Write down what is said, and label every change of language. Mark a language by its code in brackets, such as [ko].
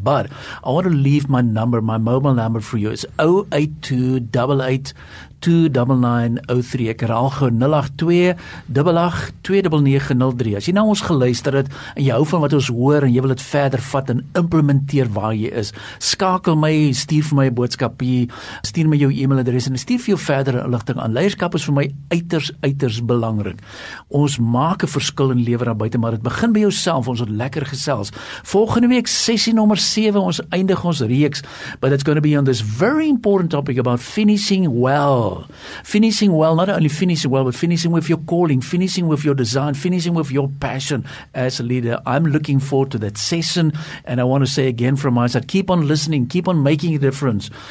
[en] But I want to leave my number, my mobile number for you. It's 082-88-29903. [af] Ek herhaal gou 082-88-29903. As jy nou ons geluister het en jy hou van wat ons hoor en jy wil dit verder vat en implementeer waar jy is, skakel my, stuur vir my 'n boodskap hier, stuur my jou e-mailadres en stuur vir jou verdere inligting aan. Leierskap is vir my uiters belangrik. Ons maak 'n verskil in lewe daar buite, maar dit begin by jouself. Ons het lekker gesels. Volgende week sessie nommer 7, ons eindig ons reeks, [en] but it's going to be on this very important topic about finishing well. Finishing well, not only finishing well, but finishing with your calling, finishing with your design, finishing with your passion as a leader. I'm looking forward to that session. And I want to say again from my side, keep on listening, keep on making a difference.